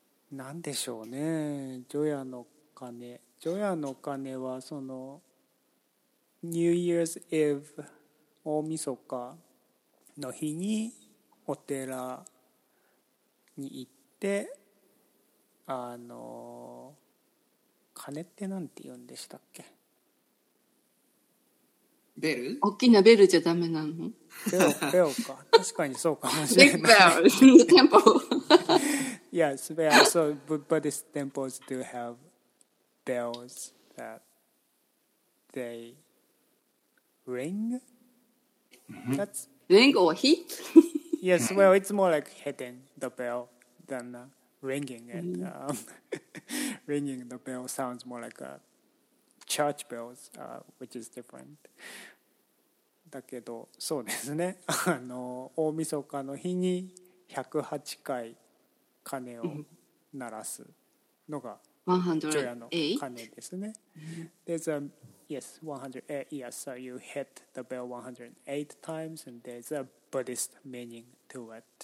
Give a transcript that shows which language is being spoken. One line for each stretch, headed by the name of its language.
Japanese: なんでしょうね。除夜の鐘。除夜の鐘はその
English: New Year's Eve
Japanese: 大晦日の日にお寺に行って鐘ってなんて言うんでしたっけ？ベル？大きなベルじゃダメなの？ベルか。確かにそうかもしれない。
English: Big bells in the temple. Yes, yeah, so Buddhist temples do have bells that they... Ring? Mm-hmm. That's... Ring or heat? Yes, well, it's more like hitting the bell than ringing it. ringing the bell sounds more like a church bells, which is different.
Japanese: だけど、そうですね。大晦日の日に108回鐘を鳴らすのが除夜の鐘ですね。
English: There's a... Yes, 108. Yes, so you hit the bell 108 times, and there's a Buddhist meaning to it.